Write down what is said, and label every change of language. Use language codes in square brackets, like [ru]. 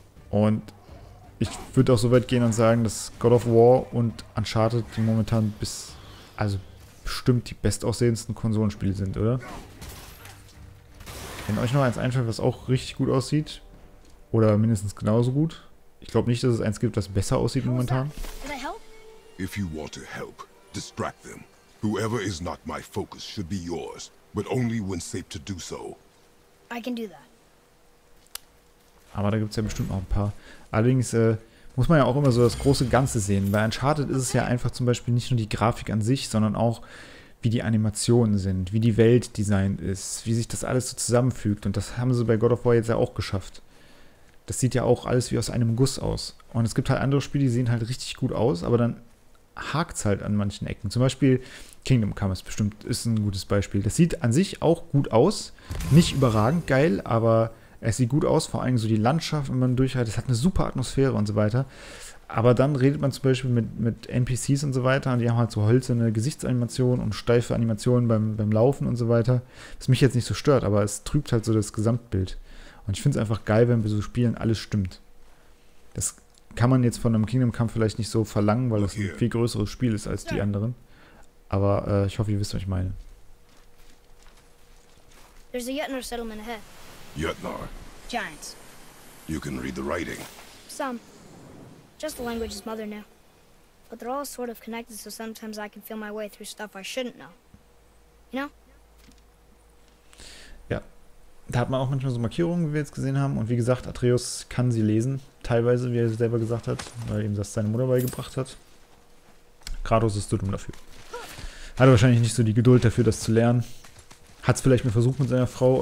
[de] Und ich würde auch so weit gehen und sagen, dass God of War und Uncharted die momentan bestimmt die bestaussehendsten Konsolenspiele sind, oder? Wenn euch noch eins einfällt, was auch richtig gut aussieht, oder mindestens genauso gut, ich glaube nicht, dass es eins gibt, das besser aussieht momentan. [en] If you want to help, distract them. Whoever is not my focus should be yours, but only when safe to do so. I can do that. [de] Aber da gibt es ja bestimmt noch ein paar. Allerdings muss man ja auch immer so das große Ganze sehen. Bei Uncharted ist es ja einfach zum Beispiel nicht nur die Grafik an sich, sondern auch wie die Animationen sind, wie die Welt designt ist, wie sich das alles so zusammenfügt. Und das haben sie bei God of War jetzt ja auch geschafft. Das sieht ja auch alles wie aus einem Guss aus. Und es gibt halt andere Spiele, die sehen halt richtig gut aus, aber dann hakt es halt an manchen Ecken. Zum Beispiel Kingdom Come ist ein gutes Beispiel. Das sieht an sich auch gut aus. Nicht überragend geil, aber es sieht gut aus. Vor allem so die Landschaft, wenn man durchhält. Es hat eine super Atmosphäre und so weiter. Aber dann redet man zum Beispiel mit NPCs und so weiter und die haben halt so hölzerne Gesichtsanimationen und steife Animationen beim Laufen und so weiter. Das mich jetzt nicht so stört, aber es trübt halt so das Gesamtbild. Und ich finde es einfach geil, wenn wir so spielen, alles stimmt. Das kann man jetzt von einem Kingdom Come vielleicht nicht so verlangen, weil das ein viel größeres Spiel ist als die anderen. Aber ich hoffe, ihr wisst, was ich meine. [en] There's a Yetnar settlement ahead. Yetnar. Giants. You can read the writing. Some. Just the language is mother now. But they're all sort of connected, so sometimes I can feel my way through stuff I shouldn't know. You know? [de] Ja. Da hat man auch manchmal so Markierungen, wie wir jetzt gesehen haben. Und wie gesagt, Atreus kann sie lesen. Teilweise, wie er selber gesagt hat, weil ihm das seine Mutter beigebracht hat. Kratos ist zu dumm dafür. Hatte wahrscheinlich nicht so die Geduld dafür, das zu lernen. Hat es vielleicht mal versucht mit seiner Frau.